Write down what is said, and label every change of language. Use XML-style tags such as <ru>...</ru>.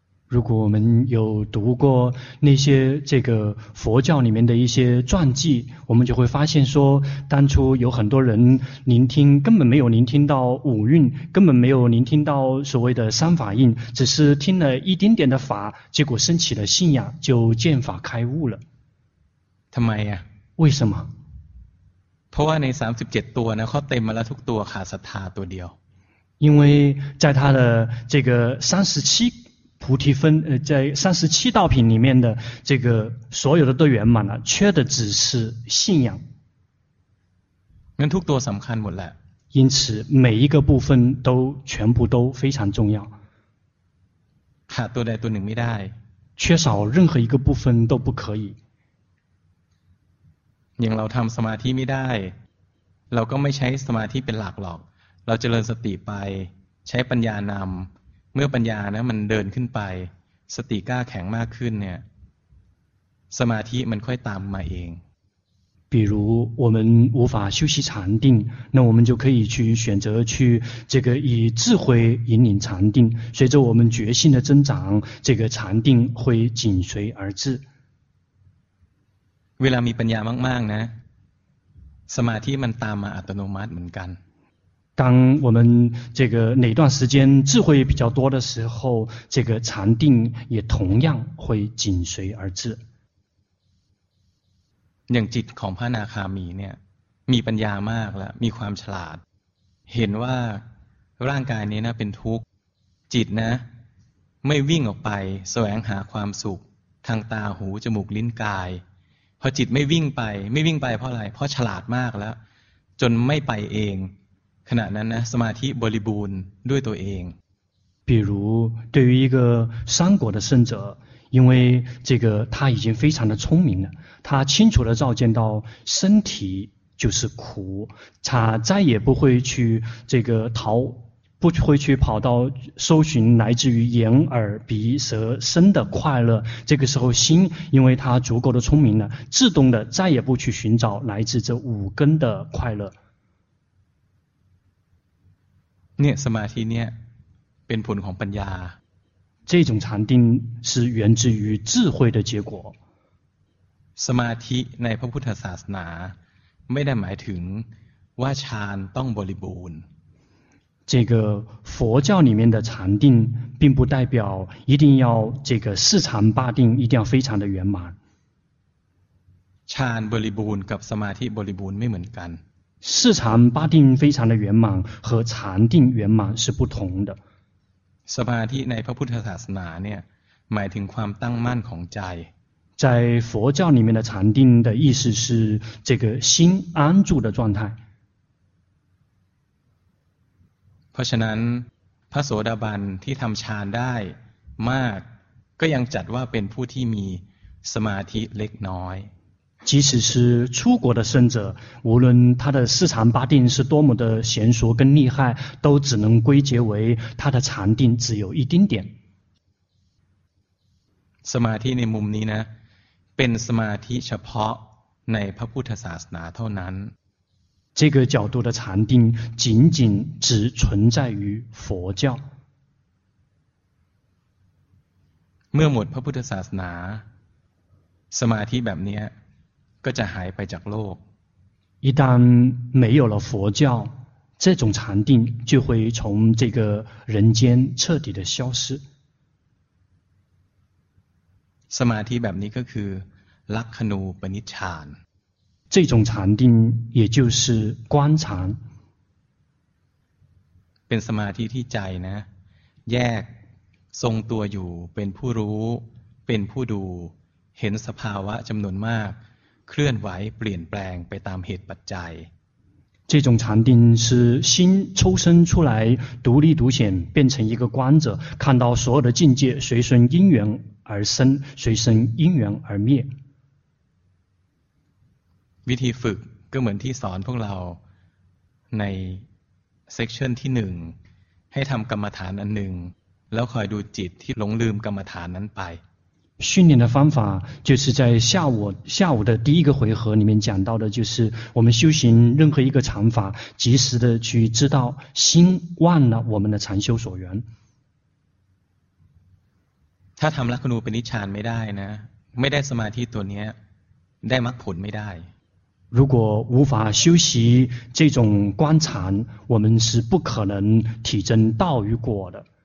<zh>如果我们有读过那些这个佛教里面的一些传记我们就会发现说当初有很多人聆听根本没有聆听到五蕴根本没有聆听到所谓的三法印只是听了一点点的法结果升起了信仰就见法开悟了</zh> <th>ทำไมอ่ะ</th> <zh>为什么</zh> <th>เพราะว่าใน37ตัวนะเขาเต็มมาแล้วทุกตัวขาดศรัทธาตัวเดียว</th> <zh>因为在他的这个37菩提分在37道品里面的这个所有的都圆满了缺的只是信仰</zh> <th>งั้นทุกตัวสำคัญหมดแหละ</th> <zh>因此每一个部分都全部都非常重要</zh> <th>ขาดตัวใดตัวหนึ่งไม่ได้</th> <zh>缺少任何一个部分都不可以</zh> <th>อย่างเราทำสมาธิไม่ได้เราก็ไม่ใช้สมาธิเป็นหลักหรอกเราเจริญสติไปใช้ปัญญานำเมื่อปัญญานะมันเดินขึ้นไปสติกล้าแข็งมากขึ้นเนี่ยสมาธิมันค่อยตามมาเอง</th> <zh>比如我们无法修习禅定那我们就可以去选择去这个以智慧引领禅定随着我们决心的增长这个禅定会紧随而至</zh> <th>เวลามีปัญญามากๆนะสมาธิมันตามมาอัตโนมัติเหมือนกัน</th> <zh>当我们这个哪段时间智慧比较多的时候，这个禅定也同样会紧随而至。</zh> <th>อย่างจิตของพระอนาคามีเนี่ยมีปัญญามากแล้วมีความฉลาดเห็นว่าร่างกายนี้นะเป็นทุกข์จิตนะไม่วิ่งออกไปแสวงหาความสุขทางตาหูจมูกลิ้นกายพอจิตไม่วิ่งไปไม่วิ่งไปเพราะอะไรเพราะฉลาดมากแล้วจนไม่ไปเองขณะนั้นนะสมาธิบริบูรณ์ด้วยตัวเอง</th> <zh>比如对于一个三果的圣者因为这个他已经非常的聪明了他清楚地照见到身体就是苦他再也不会去这个逃不会去跑到搜寻来自于眼耳鼻舌身的快乐这个时候心因为他足够的聪明了自动的再也不去寻找来自这五根的快乐</zh> <th>念สมาธิเนี่ยเป็นผลของปัญญา</th> <zh>这种禅定是源自于智慧的结果</zh> <th>สมาธิในพระพุทธศาสนาไม่ได้หมายถึงว่าฌานต้องบริบูรณ์</th> <zh>这个佛教里面的禅定并不代表一定要这个四禅八定一定要非常的圆满</zh> <th>禅บริบูรณ์กับสมาธิบริบูรณ์ไม่เหมือนกัน</th> <zh>四禅八定非常的圆满和禅定圆满是不同的</zh> <th>สมาธิในพระพุทธศาสนาเนี่ยหมายถึงความตั้งมั่นของใจ</th> <zh>在佛教里面的禅定的意思是这个心安住的状态</zh> <th>เพราะฉะนั้นพระโสดาบันที่ทำฌานได้มากก็ยังจัดว่าเป็นผู้ที่มีสมาธิเล็กน้อย</th> <zh>即使是出国的圣者无论他的四禅八定是多么的娴熟跟厉害都只能归结为他的禅定只有一丁点</zh> <th>สมาธิในมุมนี้นะเป็นสมาธิเฉพาะในพระพุทธศาสนาเท่านั้น</th> <zh>这个角度的禅定仅仅只存在于佛教</zh> <th>เมื่อหมดพระพุทธศาสนาสมาธิแบบนี้ก็จะหายไปจากโลก</th> <zh>一旦没有了佛教这种禅定就会从这个人间彻底的消失</zh> <th>สมาธิแบบนี้ก็คือลักขณูปนิชฌาน</th> <zh>这种禅定也就是观禅</zh> <th>เป็นสมาธิที่ใจนะแยกทรงตัวอยู่เป็นผู้รู้เป็นผู้ดูเห็นสภาวะจำนวนมากเคลื่อนไหวเปลี่ยนแปลงไปตามเหตุปัจจัย</th> <zh>这种禅定是心抽身出来独立独显变成一个观者看到所有的境界随顺因缘而生随顺因缘而灭</zh> <th>วิธีฝึกก็เหมือนที่สอนพวกเราในเซกชันที่หนึ่งให้ทำกรรมฐานอันหนึ่งแล้วคอยดูจิตที่หลงลืมกรรมฐานนั้นไป</th> <zh>训练的方法就是在下午的第一个回合里面讲到的就是我们修行任何一个禅法及时的去知道心忘了我们的禅修所缘</zh> <th>ถ้าทำลักขณูปนิชฌานไม่ได้นะไม่ได้สมาธิตัวนี้ได้มรรคผลไม่ได้</th> <zh>如果无法修习这种观禅，我们是不可能体证道与果的。</zh>